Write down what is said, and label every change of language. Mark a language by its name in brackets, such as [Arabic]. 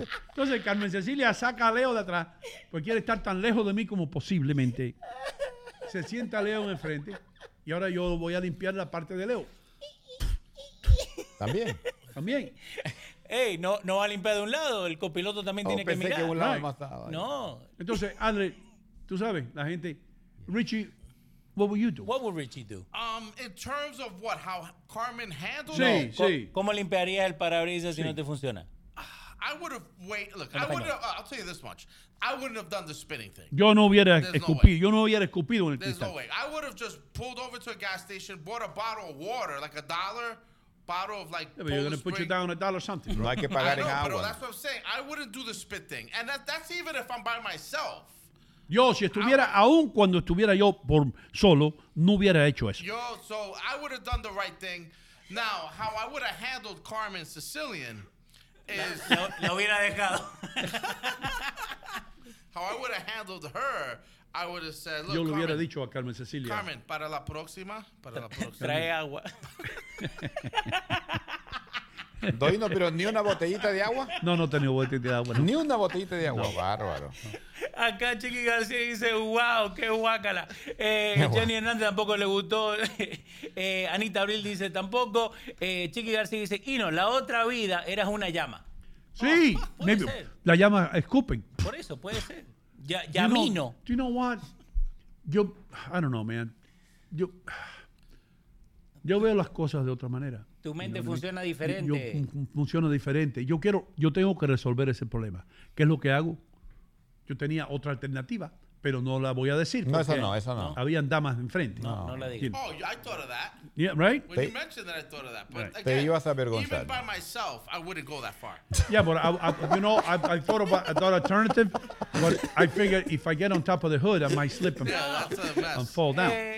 [Spanish] Entonces Carmen Cecilia saca a Leo de atrás, porque quiere estar tan lejos de mí como posiblemente. Se sienta Leo enfrente y ahora yo voy a limpiar la parte de Leo. También. También. hey, no va a limpiar de un lado, el copiloto también tiene que mirar. Que un lado más estaba, no. Entonces, André, tú sabes, la gente, Richie, [English] what would you do? What would Richie do? In terms of what, how Carmen handled [Spanish] sí, [English] it? [Spanish] Sí. ¿Cómo limpiarías el parabrisas sí. si no te funciona? [English] I would have wait. Look, I wouldn't. I'll tell you this much. I wouldn't have done the spinning thing. [Spanish] Yo no hubiera escupido. Yo no hubiera escupido en el cristal. [English] There's no way. I would have just pulled over to a gas station, bought a bottle of water, like a dollar bottle of like. Yeah, but you're gonna put you down a dollar something. [Spanish] No hay que pagar en agua. [English] But that's what I'm saying. I wouldn't do the spit thing, and that's even if I'm by myself. [Spanish] Yo, si estuviera, aún cuando estuviera yo por solo, no hubiera hecho eso. [English] Yo, so I would have done the right thing. Now, how I would have handled Carmen Sicilian. [Spanish] Lo hubiera dejado. [English] How I would have handled her, I would have said, look, [Spanish] yo lo hubiera dicho a Carmen Cecilia. Carmen, para la próxima, trae agua. Doino, pero ni una botellita de agua. No tenía botellita de agua. No. Ni una botellita de agua. No, bárbaro. Acá Chiqui García dice, wow, qué guácala. Jenny Hernández tampoco le gustó. Anita Abril dice, tampoco. Chiqui García dice, Ino, la otra vida eras una llama. Sí, maybe. Ser. La llama escupen. Por eso, puede ser. Llamino. [English] Do you know what? Yo, I don't know, man. [Spanish] Yo veo las cosas de otra manera. Tu mente funciona diferente. Funciona diferente. Yo tengo que resolver ese problema. ¿Qué es lo que hago? Yo tenía otra alternativa, pero no la voy a decir. No, eso no. Habían damas enfrente. No la digo. [English] Oh, I thought of that. Yeah, right? When you mentioned that, I thought of that. But right. Again, [Spanish] te ibas a avergonzar. [English] Even by myself, I wouldn't go that far. Yeah, but I thought about an alternative, but I figured if I get on top of the hood, I might slip and fall down.